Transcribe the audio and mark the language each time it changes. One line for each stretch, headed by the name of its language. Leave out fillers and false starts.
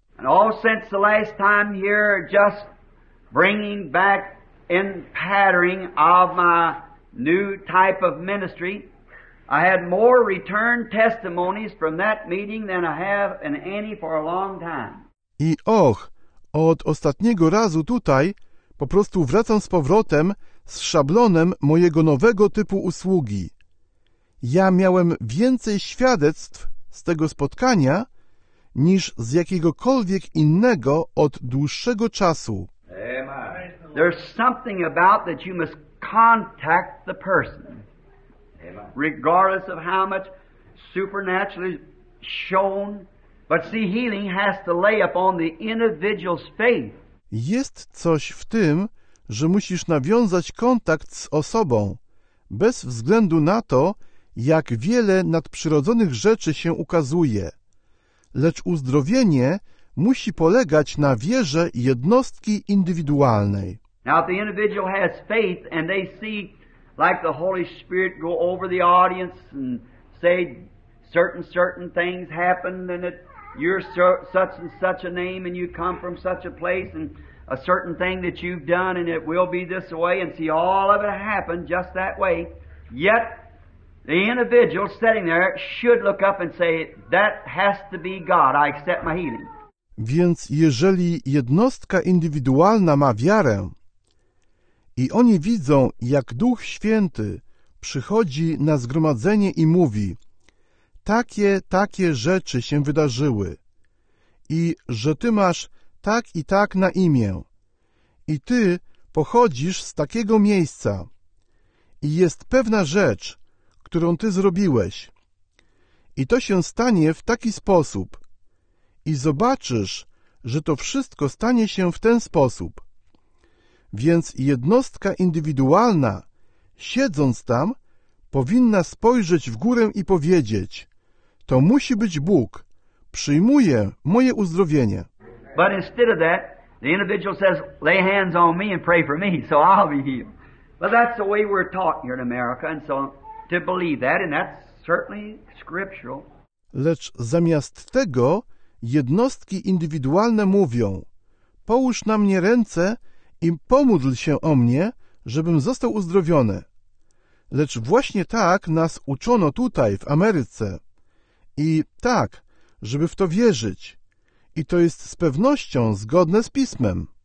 English: And all since the last time here, just bringing back in pattering of my new type of ministry, I had more return testimonies from that meeting than I have in any for a long time.
Polish: I och, od ostatniego razu tutaj po prostu wracam z powrotem z szablonem mojego nowego typu usługi. Ja miałem więcej świadectw z tego spotkania niż z jakiegokolwiek innego od dłuższego czasu.
English: There's something about that you must contact the person. Regardless of how much supernaturally shown, but see, healing has to lay upon the individual's faith.
Polish: Jest coś w tym, że musisz nawiązać kontakt z osobą, bez względu na to, jak wiele nadprzyrodzonych rzeczy się ukazuje. Lecz uzdrowienie musi polegać na wierze jednostki indywidualnej.
English: Now, if the individual has faith and they see, like the Holy Spirit go over the audience and say certain things happened and that you're such and such a name and you come from such a place and a certain thing that you've done and it will be this way and see all of it happen just that way, yet the individual sitting there should look up and say, that has to be God, I accept my healing.
Polish: Więc jeżeli jednostka indywidualna ma wiarę i oni widzą, jak Duch Święty przychodzi na zgromadzenie i mówi, takie rzeczy się wydarzyły i że ty masz tak i tak na imię i ty pochodzisz z takiego miejsca i jest pewna rzecz, którą ty zrobiłeś. I to się stanie w taki sposób. i zobaczysz, że to wszystko stanie się w ten sposób. Więc jednostka indywidualna, siedząc tam, powinna spojrzeć w górę i powiedzieć: to musi być Bóg, przyjmuję moje uzdrowienie.
English: But instead of that, the individual says, lay hands on me and pray for me, so I'll be healed. But that's the way we're taught here in America, and so to believe that, and that's certainly scriptural.
Polish: Lecz zamiast tego jednostki indywidualne mówią: połóż na mnie ręce i pomódl się o mnie, żebym został uzdrowiony. Lecz właśnie tak nas uczono tutaj, w Ameryce. I tak, żeby w to wierzyć. I to jest z pewnością zgodne z Pismem.